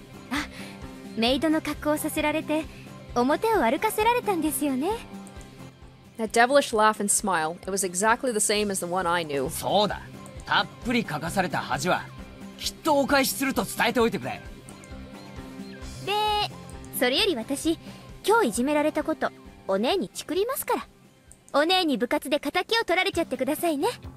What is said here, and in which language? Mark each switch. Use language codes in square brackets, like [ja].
[ja] あ、メイドの格好をさせられて、表を歩かせられたんですよね。 [en] That devilish laugh and smile, it was exactly the same as the one I knew. [ja] そうだ。たっぷり書かされた恥は、きっとお返しすると伝えておいてくれ。で、それより私、今日いじめられたこと、お姉にチクりますから。お姉に部活で仇を取られちゃってくださいね。